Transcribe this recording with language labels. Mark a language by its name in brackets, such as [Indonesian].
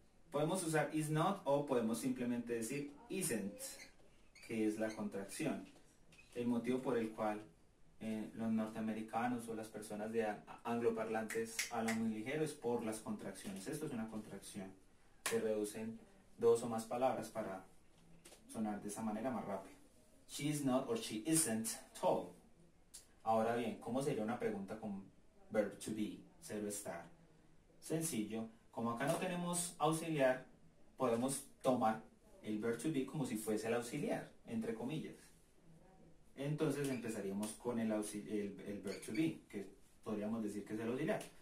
[Spanish] Podemos usar is not o podemos simplemente decir isn't, que es la contracción. El motivo por el cual los norteamericanos o las personas de angloparlantes hablan muy ligero es por las contracciones. Esto es una contracción. Se reducen dos o más palabras para sonar de esa manera más rápido. [English] She is not or she isn't tall. [Spanish] Ahora bien, ¿cómo sería una pregunta con verb to be? Ser o estar. Sencillo. Como acá no tenemos auxiliar, podemos tomar el verb to be como si fuese el auxiliar, entre comillas. Entonces empezaríamos con el verb to be, que podríamos decir que es el auxiliar.